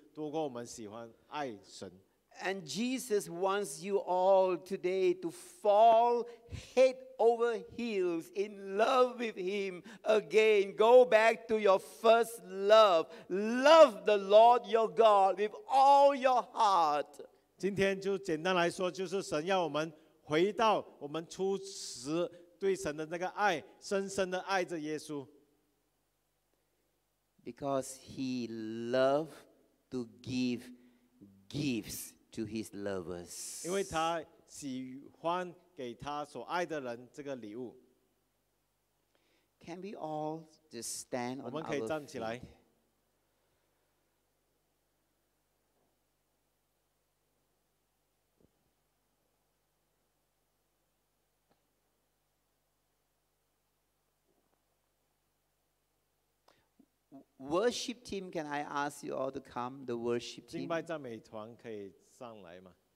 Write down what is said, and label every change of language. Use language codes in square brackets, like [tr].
[zh] 当我们不应该单单仰望喜欢这神给我们的礼物，多过我们喜欢爱神。 [en] And Jesus wants you all today to fall head over heels in love with Him again. Go back to your first love. Love the Lord your God with all your heart. [zh] 今天就简单来说，就是神要我们 回到我们初时对神的那个爱，深深的爱着耶稣。 [en] Because he loved to give gifts to his lovers. [zh] 因为他喜欢给他所爱的人这个礼物。 [en] Can we all just stand on our feet? [zh] 我们可以站起来。 [en] Worship team, can I ask you all to come? The worship team. [zh] 敬拜赞美团可以上来吗?